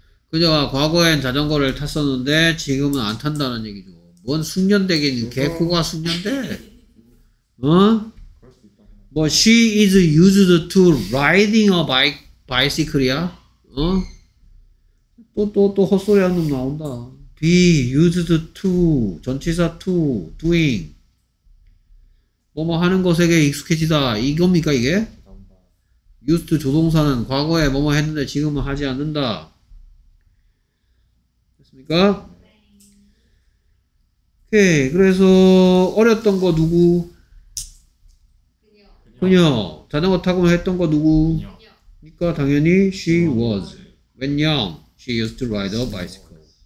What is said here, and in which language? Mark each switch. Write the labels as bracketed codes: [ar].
[ko] 그녀가 과거엔 자전거를 탔었는데 지금은 안 탄다는 얘기죠. 뭔 숙련대긴 개코가 숙련대? 어? [en] But she is used to riding a bike, bicycle이야? [ko] 어? 또 헛소리한 놈 나온다. [en] Be used to, 전치사 to, doing. [ko] 뭐뭐 하는 것에게 익숙해지다. 이겁니까 이게? used 조동사는 과거에 뭐뭐 했는데 지금은 하지 않는다. 됐습니까? 오케이. 그래서 어렸던 거 누구? 그녀. 자전거 타고 했던 거 누구? 그러니까 당연히 [en] she was. When young, she used to ride a bicycle.